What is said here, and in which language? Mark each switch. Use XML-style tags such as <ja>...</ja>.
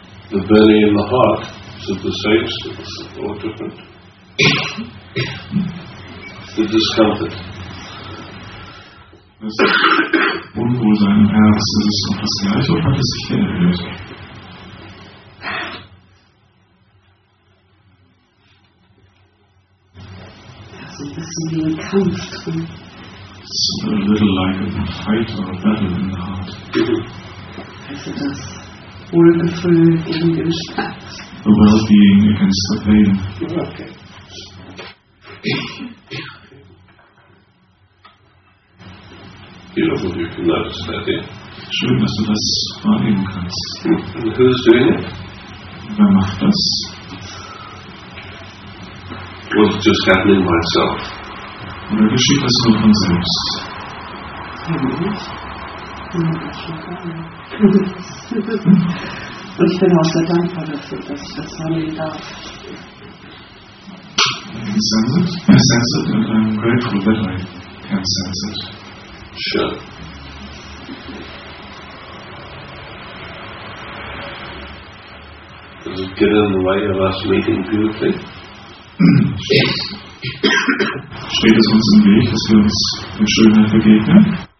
<en>The belly and the heart, is it the same or different? The discomfort.</en> <de>Das Unwohlsein im Herz, ist es noch das gleiche oder hat es sich geändert? Das ist ein bisschen wie ein Kampf drin.</de> <en>It's a little like a fight or a battle in the heart.</en> <de>Also das. Wohlgefühl gegen den Schmerz.</de> <en>The well-being against the pain. Okay. Beautiful, you can notice that, yeah?</en> <de>Schön, dass du das wahrnehmen kannst.</de> <en>And who's doing it?</en> <de>Wer macht das?</de> <en>Well, it's just happening myself.</en> <de>Und er geschieht das nur von selbst. Und ich bin auch sehr dankbar dafür, dass ich das wahrnehmen darf.</de> <en>I sense it. I sense it and I'm grateful that I can sense it. Sure. Does it get in the way of us meeting beautifully?</en> <de>Steht es uns im Weg, dass wir uns in Schönheit begegnen?</de>